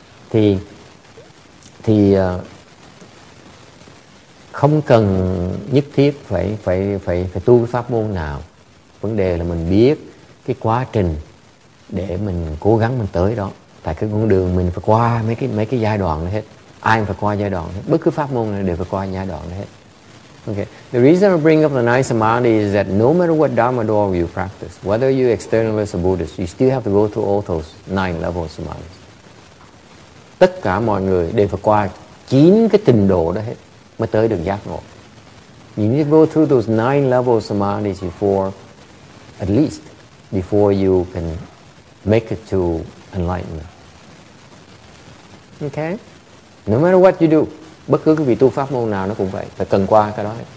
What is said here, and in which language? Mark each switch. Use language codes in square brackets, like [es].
[vi] Thì không cần nhất thiết phải tu pháp môn nào. Vấn đề là mình biết cái quá trình để mình cố gắng mình tới đó. Tại cái con đường mình phải qua mấy cái giai đoạn đó hết. Ai cũng phải qua giai đoạn hết. Bất cứ pháp môn này đều phải qua giai đoạn đó hết. [en] Okay. The reason I bring up the nice samadhi is that no matter what Dharma door you practice, whether you're externalist or Buddhist, you still have to go through all those nine levels of samadhi. [vi] Tất cả mọi người đều phải qua 9 cái trình độ đó hết mới tới được giác ngộ. [en] You need to go through those nine levels of samadhi before, at least, before you can make it to enlightenment. Okay? No matter what you do, [vi] bất cứ cái vị tu pháp môn nào nó cũng vậy, phải cần qua cái đó.